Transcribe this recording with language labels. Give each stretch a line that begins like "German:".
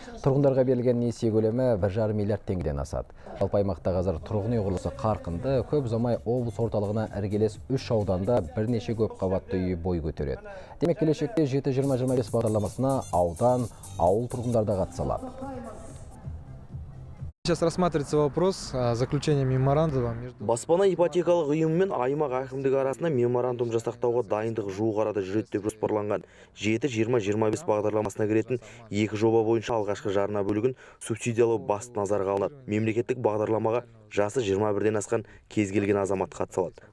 Kazakh: Тұрғындарға берілген несие көлемі 1,5 миллиард теңгеден асады. Жалпы аймақта қазір тұрғын үй құрылысы қарқынды, көп ұзамай облыс орталығына іргелес 3 ауданда бірнеше көп қабатты үй бой көтереді. Демек, келешекте 7-20-25 бағдарламасына аудан, ауыл тұрғындары да қатыса алады.
Russian: Сейчас рассматривается вопрос о заключении меморандума.
Kazakh: Баспана ипотекалық ұйымымен аймақ әкімдігі арасында меморандум жасақтауға дайындық жуық арада жүреді деп жоспарланған. 7-20-25 бағдарламасына кіретін екі жоба бойынша алғашқы жарна бөлігін субсидиялау басты назарға алынады. Мемлекеттік бағдарламаға жасы 21-ден асқан кез келген азамат қатысады.